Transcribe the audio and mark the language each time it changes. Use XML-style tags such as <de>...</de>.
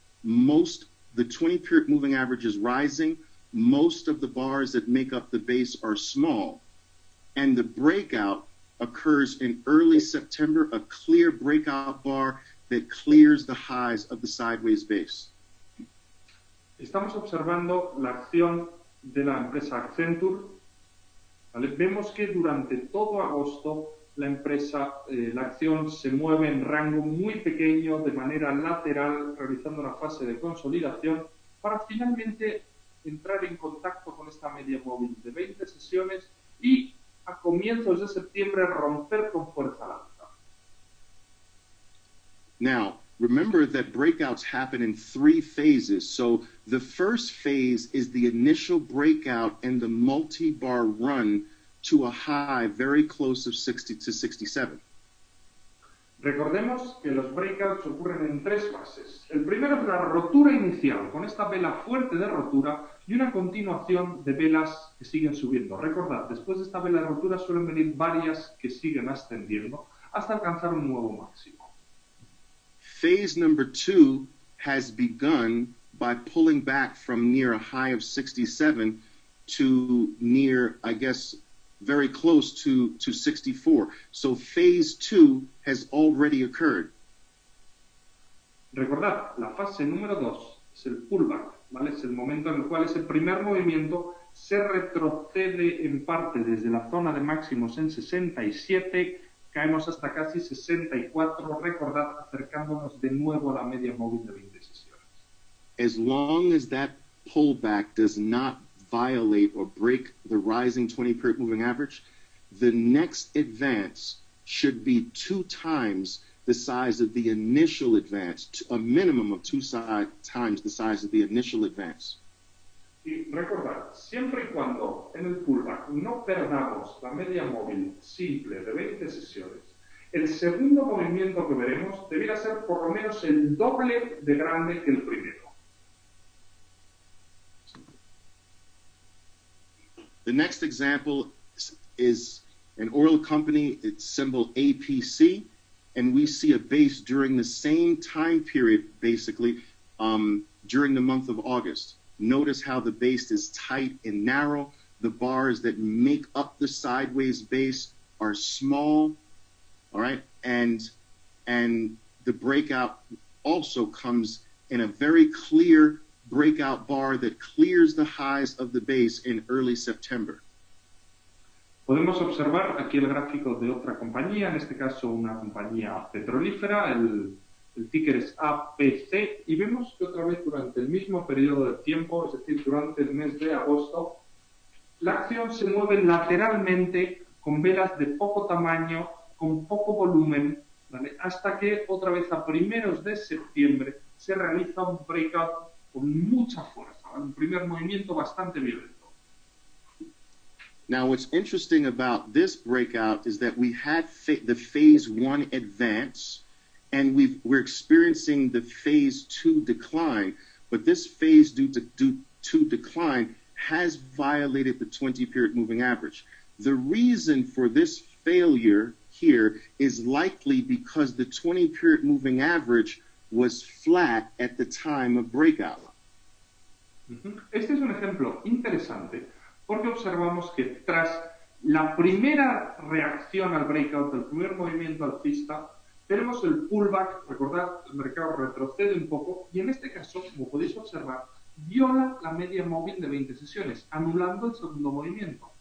<en>Most, the 20 period moving average is rising. Most of the bars that make up the base are small, and the breakout occurs in early September, a clear breakout bar that clears the highs of the sideways base.</en> <es>Estamos observando la acción de la empresa Accenture. ¿Vale? Vemos que durante todo agosto la empresa, la acción se mueve en rango muy pequeño de manera lateral, realizando una fase de consolidación para finalmente entrar en contacto con esta media móvil de 20 sesiones y a comienzos de septiembre romper con fuerza la alta.</es> <en>Now, remember that breakouts happen in three phases. So the first phase is the initial breakout and the multi-bar run to a high very close of 60 to 67.</en> <es>Recordemos que los breakouts ocurren en tres fases. El primero es la rotura inicial, con esta vela fuerte de rotura y una continuación de velas que siguen subiendo. Recordad, después de esta vela de rotura suelen venir varias que siguen ascendiendo hasta alcanzar un nuevo máximo.</es> <en>Phase number two has begun by pulling back from near a high of 67 to near, I guess, very close to 64. So phase two has already occurred.</en> <es>Recordad, la fase número dos es el pullback, ¿vale? Es el momento en el cual ese primer movimiento se retrocede en parte desde la zona de máximos en 67, caemos hasta casi 64, recordad, acercándonos de nuevo a la media móvil de 20 sesiones.</es> <en>As long as that pullback does not violate or break the rising 20 period moving average, the next advance should be two times the size of the initial advance, a minimum of two times the size of the initial advance.</en> <es>Y recordar, siempre y cuando en el pullback no perdamos la media móvil simple de 20 sesiones, el segundo movimiento que veremos debiera ser por lo menos el doble de grande que el primero.</es> <en>The next example is an oil company, its symbol APC, and we see a base during the same time period, basically, during the month of August. Notice how the base is tight and narrow. The bars that make up the sideways base are small, all right? And the breakout also comes in a very clear breakout bar that clears the highs of the base in early September.</en> <es>Podemos observar aquí el gráfico de otra compañía, en este caso una compañía petrolífera, el ticker es APC, y vemos que otra vez durante el mismo periodo de tiempo, es decir, durante el mes de agosto, la acción se mueve lateralmente con velas de poco tamaño, con poco volumen, ¿vale? Hasta que otra vez a primeros de septiembre se realiza un breakout con mucha fuerza, un primer movimiento bastante violento.</es> <en>Now, what's interesting about this breakout is that we had the phase one advance, and we're experiencing the phase two decline, but this phase due to decline has violated the 20 period moving average. The reason for this failure here is likely because the 20 period moving average was flat at the time of breakout.</en> <es>Este es un ejemplo interesante, porque observamos que tras la primera reacción al breakout, el primer movimiento alcista, tenemos el pullback, recordad, el mercado retrocede un poco, y en este caso, como podéis observar, viola la media móvil de 20 sesiones, anulando el segundo movimiento.</es>